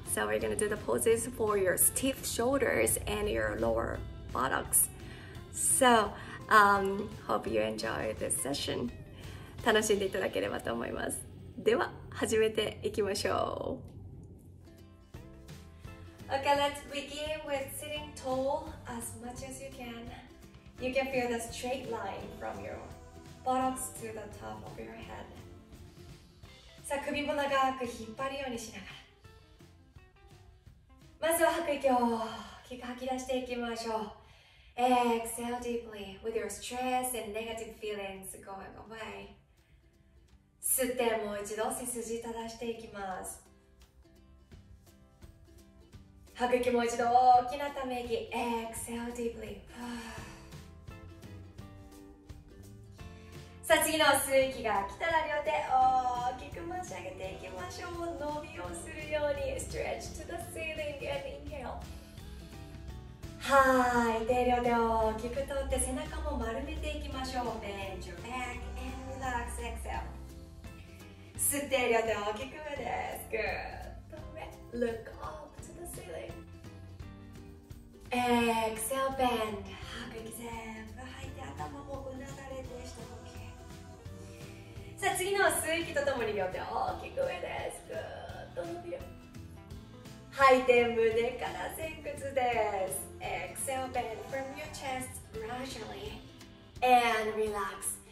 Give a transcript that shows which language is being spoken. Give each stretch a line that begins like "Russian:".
English: So we're gonna do the poses for your stiff shoulders and your lower buttocks. So, hope you enjoy this session.
Japanese: 楽しんでいただければと思います。では始めていきましょう。
English: Okay, let's begin with sitting tall as much as you can. You can feel the straight line from your buttocks to the top of your head.
Japanese: さあ、首も長く引っ張るようにしながら。まずは吐く息を大きく吐き出していきましょう。
English: Exhale deeply with your stress and negative feelings going away.
Japanese: 吸ってもう一度背筋正していきます。吐く息もう一度大きなため息
English: Exhale deeply
Japanese: さあ次の吸う息が来たら両手大きく持ち上げていきましょう。伸びをするように
English: Stretch to the ceiling and inhale
Japanese: 吐いて両手大きく通って背中も丸めていきましょう。
English: Bend your back and relax exhale
Japanese: 吸って両手を大きく上です。
English: Good. Look up to the ceiling. Exhale, bend.
Japanese: 吐く息全部吐いて頭もうなれて下向き。さあ次の吸う息とともに両手を大きく上です。
English: Good.
Japanese: 伸びよ。吐いて胸から前屈です。
English: Exhale, bend from your chest gradually and relax.